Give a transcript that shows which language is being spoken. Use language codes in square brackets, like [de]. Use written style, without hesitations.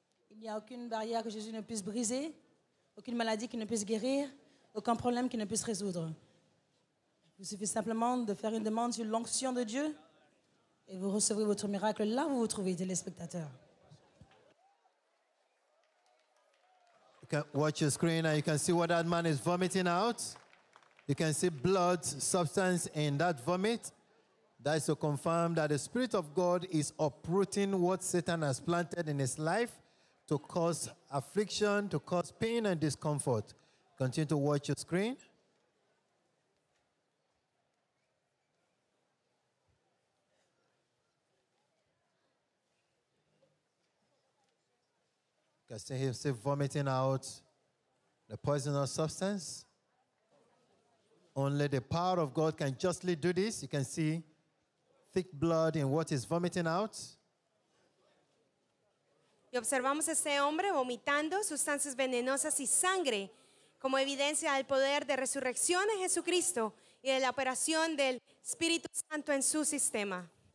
[fr] Il n'y a aucune barrière que Jésus ne puisse briser, aucune maladie qu'il ne puisse guérir, aucun problème qu'il ne puisse résoudre. Il vous suffit simplement de faire une demande sur l'onction de Dieu et vous recevrez votre miracle là où vous vous trouvez, téléspectateurs. [en] You can watch your screen and you can see what that man is vomiting out. You can see blood substance in that vomit. That is to confirm that the Spirit of God is uprooting what Satan has planted in his life to cause affliction, to cause pain and discomfort. Continue to watch your screen. You can see him still vomiting out the poisonous substance. Only the power of God can justly do this. You can see thick blood in what is vomiting out. [es] Y observamos a este hombre vomitando sustancias venenosas y sangre como evidencia del poder de resurrección en Jesucristo y de la operación del Espíritu Santo en su sistema.